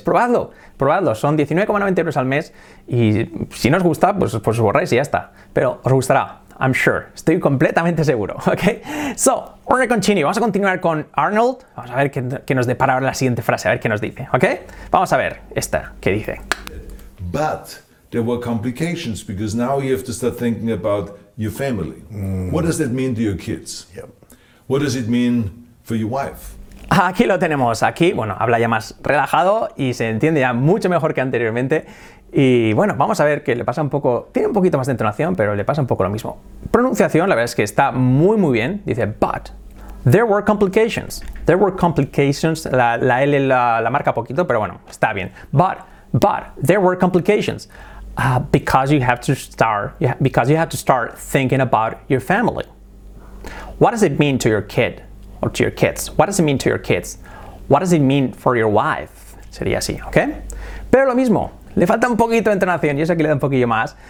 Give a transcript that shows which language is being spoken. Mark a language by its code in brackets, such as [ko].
[es] Probadlo, son 19,90 euros al mes y si no os gusta, pues os borráis y ya está, pero os gustará, [en] I'm sure, [es] estoy completamente seguro, ¿ok? [en] So, we're gonna continue, [es] vamos a continuar con Arnold, vamos a ver qué nos depara ahora la siguiente frase, a ver qué nos dice, ¿ok? Vamos a ver esta, ¿qué dice? [en] But... there were complications because now you have to start thinking about your family. Mm. What does that mean to your kids? Yep. What does it mean for your wife? [es] Aquí lo tenemos. Aquí, bueno, habla ya más relajado y se entiende ya mucho mejor que anteriormente. Y bueno, vamos a ver que le pasa un poco... tiene un poquito más de entonación, pero le pasa un poco lo mismo. Pronunciación, la verdad es que está muy, muy bien. Dice, but. [en] there were complications. There were complications. [es] La L la marca poquito, pero bueno, está bien. [en] But there were complications because you have to start thinking about your family. What does it mean to your kid or to your kids? What does it mean to your kids? What does it mean for your wife? [es] Sería así, ¿ok? Pero lo mismo, le falta un poquito de entonación y eso aquí le da un poquillo más.